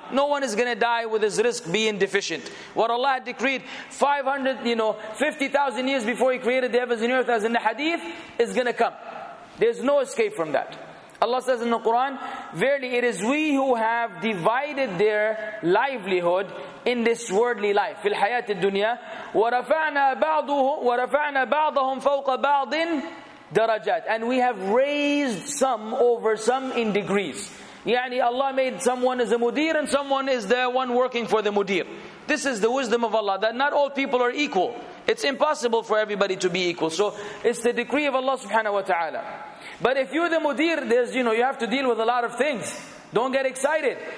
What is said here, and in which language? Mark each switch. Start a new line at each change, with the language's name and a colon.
English: No one is going to die with his risk being deficient. What Allah had decreed 50,000 years before He created the heavens and earth, as in the hadith, is going to come. There's no escape from that. Allah says in the Quran, verily it is we who have divided their livelihood in this worldly life.
Arabic: في الحياة الدنيا ورفعنا بعضهم فوق بعض درجات.
English: And we have raised some over some in degrees. يعني Allah made someone as a mudir and someone is the one working for the mudir. This is the wisdom of Allah, that not all people are equal. It's impossible for everybody to be equal. So it's the decree of Allah subhanahu wa ta'ala. But if you're the mudir, there's, you know, you have to deal with a lot of things. Don't get excited.